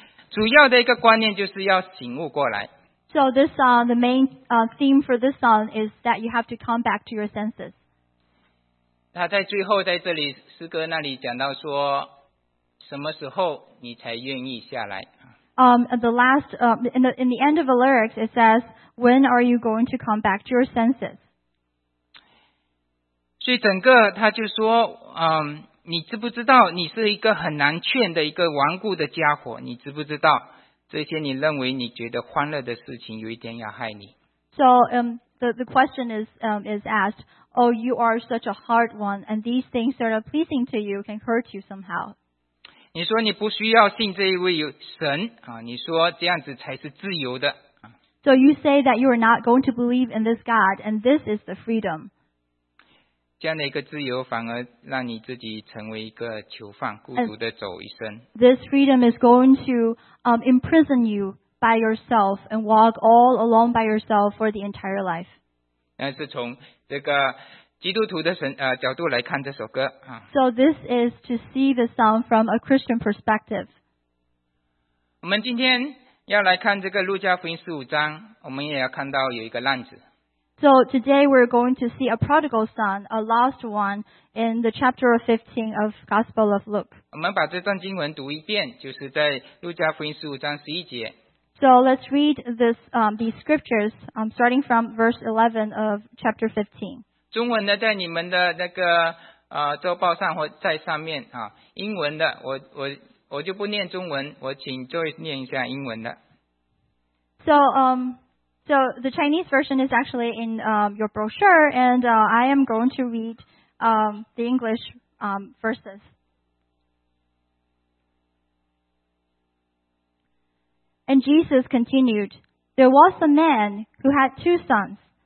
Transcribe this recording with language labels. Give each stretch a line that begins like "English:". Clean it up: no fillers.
Chinese: 主要的一个观念就是要醒悟过来。
English: So this song, the main theme for this song is that you have to come back to your senses.
Chinese: 他在最后在这里诗歌那里讲到说，什么时候你才愿意下来？
English: In the end of the lyrics, it says, "When are you going to come back to your senses?"
Chinese: 所以整个他就说，你知不知道你是一个很难劝的一个顽固的家伙？你知不知道这些你认为你觉得欢乐的事情，有一天要害你？
English: So the question is asked, oh, you are such a hard one, and these things that are pleasing to you can hurt you somehow.
Chinese: 你说你不需要信这一位神，你说这样子才是自由的。
English: So you say that you are not going to believe in this God, and this is the freedom.
Chinese: 这样的一个自由反而让你自己成为一个囚犯，孤独地走一生。
English: This freedom is going to imprison you by yourself and walk all alone by yourself for the entire life.
Chinese: 那是从这个基督徒的角度来看这首歌。
English: So this is to see the song from a Christian perspective.
Chinese: 我们今天要来看这个路加福音十五章，我们也要看到有一个浪子。
English: So today we're going to see a prodigal son, a lost one, in the chapter 15 of Gospel of Luke.
Chinese: 我们把这段经文读一遍，就是在路加福音十五章十一节。
English: So let's read this, these scriptures, starting from verse 11 of chapter 15.
Chinese: 中文的在你们的那个周报上或在上面啊，英文的我就不念中文，我请 Joyce 念一下英文的。
English: So, so the Chinese version is actually in your brochure, and I am going to read the English verses. And Jesus continued, "There was a man who had two sons.